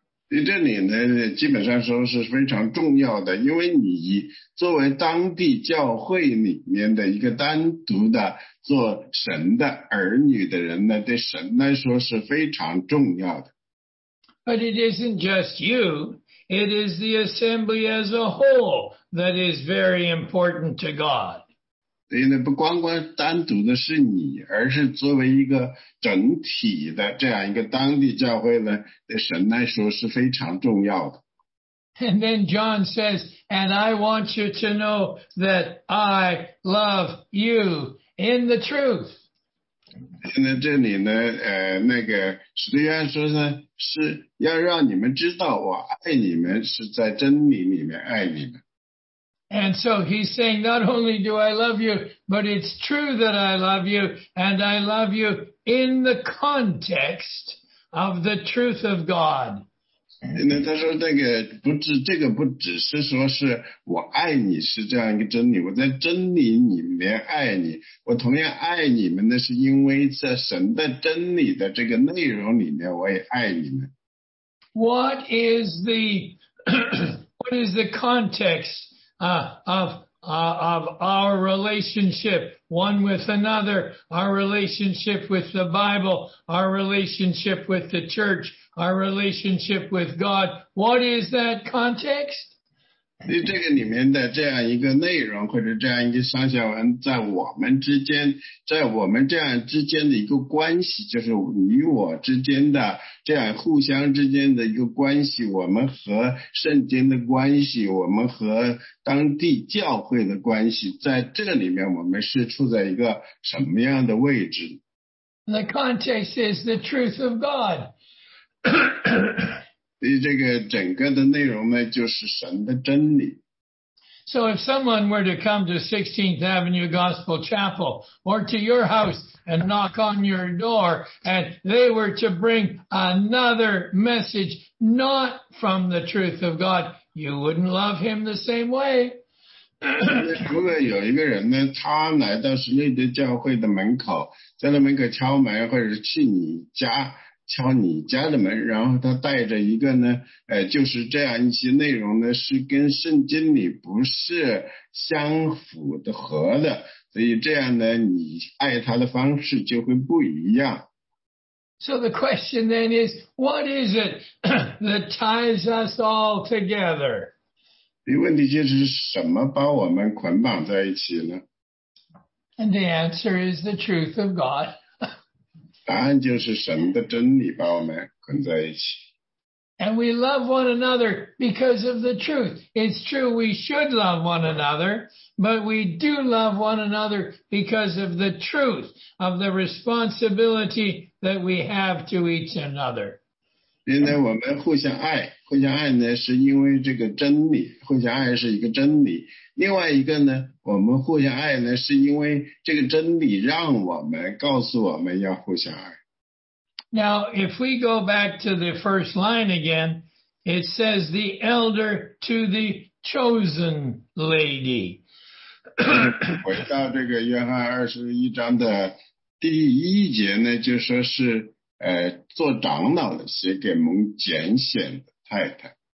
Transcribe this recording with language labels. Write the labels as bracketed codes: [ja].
[zh] 这里呢基本上说是非常重要的因为你作为当地教会里面的一个单独的做神的儿女的人呢对神来说是非常重要的。 [en] But it isn't just you, it is the assembly as a whole that is very important to God. [zh] 所以呢不光光单独的是你而是作为一个整体的这样一个当地教会呢对神来说是非常重要的。 [en] And then John says, and I want you to know that I love you in the truth. [zh] 那这里呢那个使徒约翰说呢是要让你们知道我爱你们是在真理里面爱你们。 [en] And so he's saying, not only do I love you, but it's true that I love you, and I love you in the context of the truth of God. [zh] 那他说那个不只这个不只是说是我爱你是这样一个真理，我在真理里面爱你，我同样爱你们，那是因为在神的真理的这个内容里面我也爱你们。 [en] What is the what is the context of our relationship one with another, our relationship with the Bible, our relationship with the church, our relationship with God? What is that context? [zh] 这个里面的这样一个内容或者这样一个上下文在我们之间，在我们这样之间的一个关系，就是你我之间的这样互相之间的一个关系，我们和圣经的关系，我们和当地教会的关系，在这里面我们是处在一个什么样的位置？ [en] The context is the truth of God. [zh] 这个整个的内容呢，就是神的真理。 [en] So if someone were to come to 16th Avenue Gospel Chapel or to your house and knock on your door and they were to bring another message not from the truth of God, you wouldn't love him the same way. [zh] 如果有一个人呢，他来到十六的教会的门口，在那门口敲门，或者去你家敲你家的门，然后他带着一个呢，就是这样一些内容呢，是跟圣经里不是相符的合的，所以这样呢，你爱他的方式就会不一样。 [en] So the question then is, what is it that ties us all together? [zh] 问题就是什么把我们捆绑在一起呢？ [en] And the answer is the truth of God. [zh] 答案就是神的真理把我们捆在一起。 [en] And we love one another because of the truth. It's true we should love one another, but we do love one another because of the truth of the responsibility that we have to each another. [zh] 因为我们互相爱，互相爱呢是因为这个真理，互相爱是一个真理。另外一个呢，我们互相爱呢，是因为这个真理让我们告诉我们要互相爱。 [en] Now, if we go back to the first line again, it says the elder to the chosen lady. [zh] 回到这个约翰二十一章的第一节呢，就说是做长老的写给蒙拣选的太太。